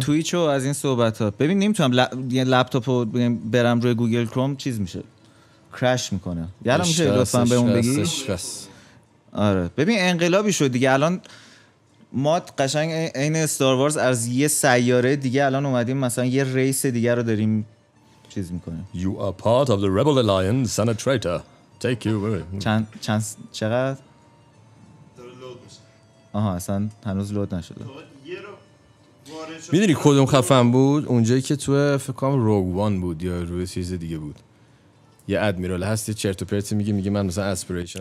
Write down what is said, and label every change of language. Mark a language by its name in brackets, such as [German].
[Persian] تویچ و از این صحبت ها ببین نمیتونم لپتاپ رو برم روی گوگل کروم چیز میشه کراش میکنه یالا میشه لطفاً بهمون بگی شکست. آره ببین انقلابی شد دیگه الان ما قشنگ این استار وارز از یه سیاره دیگه الان اومدیم مثلا یه ریس دیگه رو داریم چیز میکنیم [English] You are part of the rebel alliance and a traitor take you away [Persian] چند چقدر آها اصلا هنوز لود نشده میدونی کدوم خفن بود اونجایی که تو فکرام روگ وان بود یا روی چیز دیگه بود یه ادمیرال هست یه چرت و پرت میگه میگه من مثلا اسپریشن